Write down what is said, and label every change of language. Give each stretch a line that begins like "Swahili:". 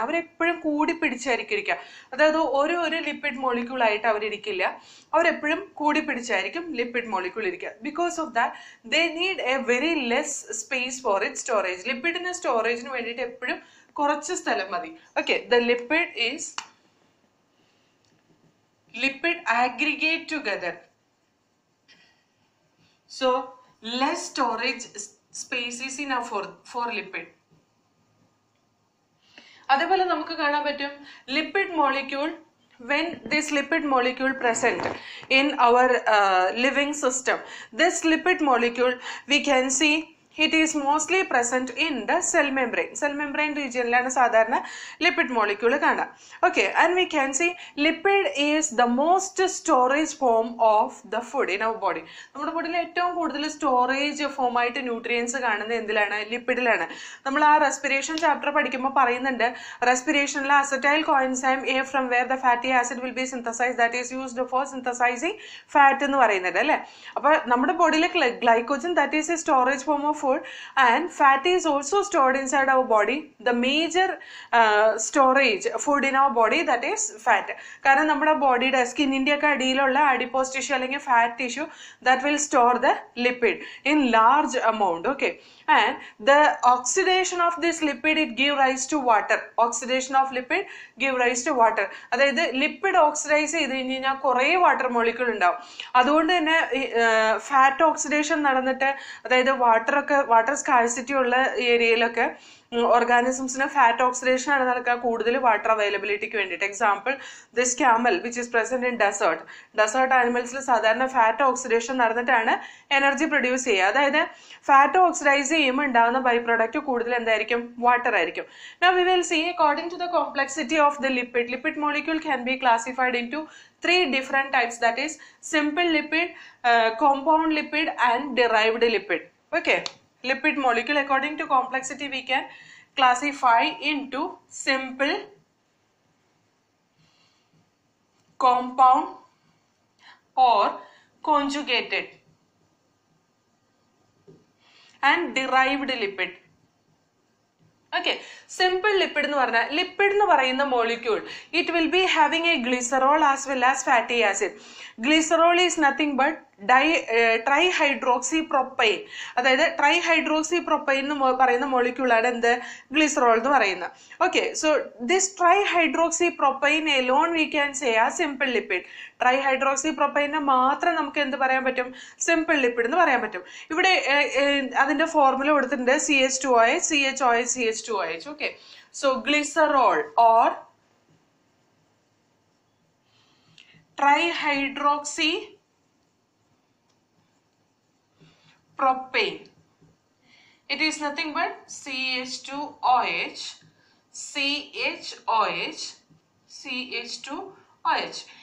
Malayalam: അവരെപ്പോഴും കൂടി പിടിച്ചായിരിക്കും ഇരിക്കുക, അതായത് ഒരു ഒരു ലിപ്പിഡ് മോളിക്യൂൾ ആയിട്ട് അവരിരിക്കില്ല, അവരെപ്പോഴും കൂടി പിടിച്ചായിരിക്കും ലിപ്പിഡ് മോളിക്യൂൾ ഇരിക്കുക.
English: Because of that they need a very less space for it storage.
Malayalam: ലിപ്പിഡിന് സ്റ്റോറേജിന് വേണ്ടിയിട്ട് എപ്പോഴും കുറച്ച് സ്ഥലം മതി.
English: Okay, the lipid is lipid aggregate together, so less storage space is enough for lipid.
Malayalam: അതേപോലെ നമുക്ക് കാണാൻ പറ്റും
English: Lipid molecule, when this lipid molecule present in our living system, this lipid molecule we can see it is mostly present in the cell membrane.
Malayalam: Cell membrane റീജിയനിലാണ് സാധാരണ lipid molecule കാണുക.
English: Okay, and we can see lipid is the most storage form of the food in our body.
Malayalam: നമ്മുടെ ബോഡിയിൽ ഏറ്റവും കൂടുതൽ storage ഫോമായിട്ട് nutrients കാണുന്നത് എന്തിലാണ്, ലിപ്പിഡിലാണ്. നമ്മൾ ആ respiration chapter പഠിക്കുമ്പോൾ പറയുന്നുണ്ട്, റെസ്പിറേഷനിൽ
English: acetyl coenzyme A from where the fatty acid will be synthesise, that is used for synthesising fat
Malayalam: എന്ന് പറയുന്നത് അല്ലേ. അപ്പോൾ നമ്മുടെ ബോഡിയിലെ glycogen,
English: That is a storage form of food, and fat is also stored inside our body. The major storage food in our body, that is fat.
Malayalam: കാരണം നമ്മുടെ ബോഡിയുടെ സ്കിന്നിൻ്റെ ഒക്കെ അടിയിലുള്ള അഡിപോസ് ടിഷ്യൂ അല്ലെങ്കിൽ fat tissue,
English: That will store the lipid in large amount. Okay, and the oxidation of this lipid it give rise to water. Oxidation of lipid give rise to water,
Malayalam: അതായത് lipid oxidise ചെയ്ത് കഴിഞ്ഞ് കഴിഞ്ഞാൽ കുറേ water molecule ഉണ്ടാവും. അതുകൊണ്ട് തന്നെ fat oxidation നടന്നിട്ട്, അതായത് വാട്ടറൊക്കെ, വാട്ടർ സ്കാഴ്സിറ്റി ഉള്ള ഏരിയയിലൊക്കെ ഓർഗാനിസംസിന് ഫാറ്റ് ഓക്സിഡേഷനാണ് നടക്കുക കൂടുതൽ വാട്ടർ അവൈലബിലിറ്റിക്ക് വേണ്ടിയിട്ട്.
English: example this camel which is present in desert,
Malayalam: desert ആനിമൽസിൽ സാധാരണ ഫാറ്റ് ഓക്സിഡേഷൻ നടന്നിട്ടാണ് എനർജി പ്രൊഡ്യൂസ് ചെയ്യുക. അതായത് ഫാറ്റ് ഓക്സിഡൈസ് ചെയ്യുമ്പോൾ ഉണ്ടാകുന്ന ബൈ പ്രൊഡക്റ്റ് കൂടുതൽ എന്തായിരിക്കും, വാട്ടർ ആയിരിക്കും.
English: Now we will see according to the complexity of the lipid, lipid molecule can be classified into 3 different types, that is simple lipid, compound lipid and derived lipid. Okay, lipid molecule according to complexity we can classify into simple, compound or conjugated and derived lipid.
Malayalam: Okay, simple lipid എന്ന് പറഞ്ഞാൽ, lipid എന്ന് പറയുന്ന molecule
English: It will be having a glycerol as well as fatty acid. Glycerol is nothing but trihydroxy propane,
Malayalam: അതായത് try hydroxy propyne എന്ന് പറയുന്ന മോളിക്യൂളാണ് എന്ത്, glycerol എന്ന് പറയുന്നത്.
English: Okay, so this try hydroxy propyne A loan we can say ആ simple lipid.
Malayalam: Try hydroxy പ്രൊപ്പൈനെ മാത്രം നമുക്ക് എന്ത് പറയാൻ പറ്റും, സിമ്പിൾ ലിപ്പിഡ് എന്ന് പറയാൻ പറ്റും. ഇവിടെ അതിൻ്റെ ഫോർമുല കൊടുത്തിട്ടുണ്ട്, C H two O H, C H O H, C H two O H.
English: Okay, so glycerol or trihydroxy propane, it is nothing but CH2OH, CHOH, CH2OH, OH.